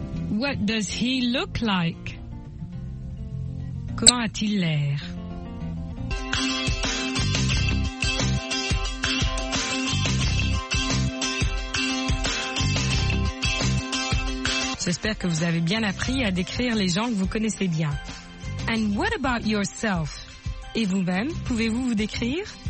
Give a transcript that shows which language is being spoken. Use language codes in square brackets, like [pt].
[en] What does he look like? [fr] Comment a-t-il l'air? J'espère que vous avez bien appris à décrire les gens que vous connaissez bien. [en] And what about yourself? [fr] Et vous-même, pouvez-vous vous décrire?